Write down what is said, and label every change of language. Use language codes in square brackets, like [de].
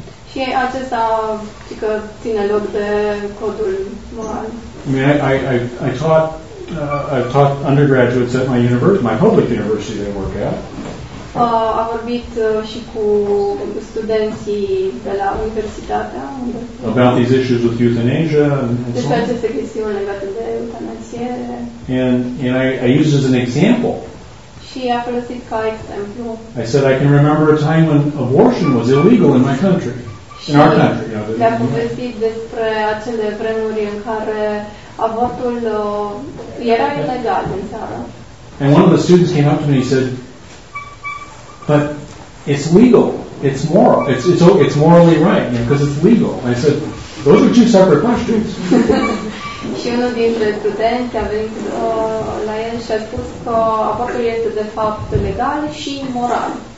[ro] Și acesta, că ține loc de codul moral. [en] I mean, I've taught undergraduates at my university, my public university that I work at. [ro] A vorbit și cu studenții de la universitatea. [en] About these issues with euthanasia and so on. [ro] Despre aceste chestiuni legate de eutanasie. [en] And I use as an example. [ro] Și a folosit ca exemplu. [en] I said I can remember a time when abortion was illegal in my country. In our country, you know. [ro] Le-a povestit despre acele vremuri în care avortul era ilegal în țară. [en] And one of the students came up to me and he said, "But it's legal. It's moral. It's morally right, because you know, it's legal." And I said, "Those are two separate questions." [ro] Și unul dintre studenți a venit la el și a spus că abortul este de fapt legal și imoral.